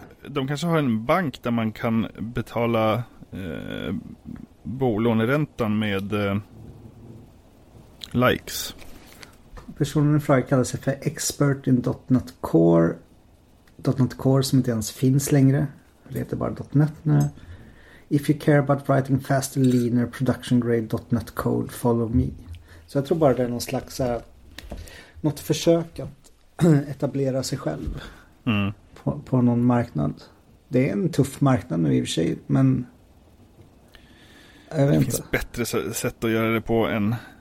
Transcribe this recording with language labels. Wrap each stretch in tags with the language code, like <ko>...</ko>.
<sv>De kanske har en bank där man kan betala bolåneräntan med likes. Personen i fråga kallar sig för</sv> <en>expert in .NET Core.</en> <sv>.NET Core som inte ens finns längre. Det heter bara .NET nu.</sv> <en>If you care about writing fast, leaner, production grade .NET code, follow me.</en> <sv>Så jag tror bara det är någon slags något försök att etablera sig själv på någon marknad. Det är en tuff marknad nu i och för sig, men jag vet inte. Det finns bättre sätt att göra det på än...</sv>